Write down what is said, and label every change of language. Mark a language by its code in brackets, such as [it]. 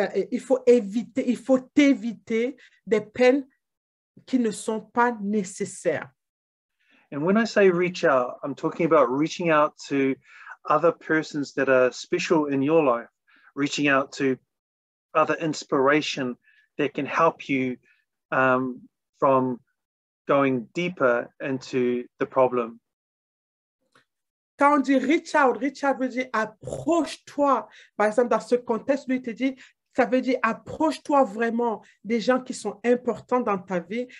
[fr] Il faut t'éviter des peines qui ne sont pas nécessaires. [en] And when I say reach out, I'm talking about reaching out to other persons that are special in your life, reaching out to other inspiration that can help you from going deeper into the problem. [fr] Quand on dit [en] reach out [fr] veut dire approche-toi. Par exemple, dans ce contexte, lui, il te dit, ça veut dire approche-toi vraiment des gens qui sont importants dans ta vie.